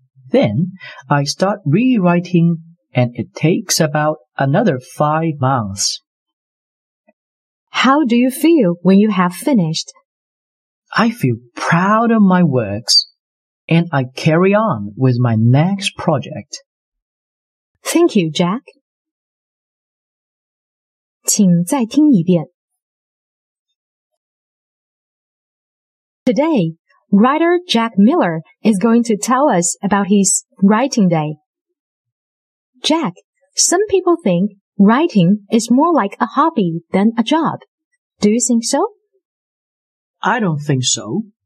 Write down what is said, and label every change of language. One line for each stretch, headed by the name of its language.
English: Then, I start rewriting, and it takes about another 5 months. How do you feel when you have finished? I feel proud of my works, and I carry on with my next project. Thank you, Jack.
Chinese: 请再听一遍。
English: Today, writer Jack Miller is going to tell us about his writing day. Jack, some people think writing is more like a hobby than a job. Do you think so? I don't think so.